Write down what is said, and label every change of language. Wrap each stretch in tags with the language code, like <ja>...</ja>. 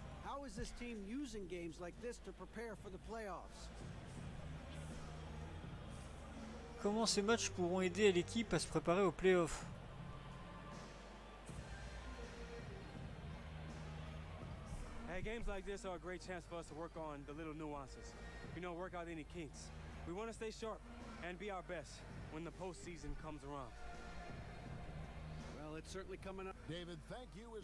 <en>How is this team using games like this to prepare for the playoffs?</en> <fr>Comment ces matchs pourront aider l'équipe à se préparer aux playoffs?</fr> <en>Hey, games like this are a great chance for us to work on the little nuances. You know, work out any kinks. We want to stay sharp and be our best when the postseason comes around. Well, it's certainly coming up. David, thank you as</en>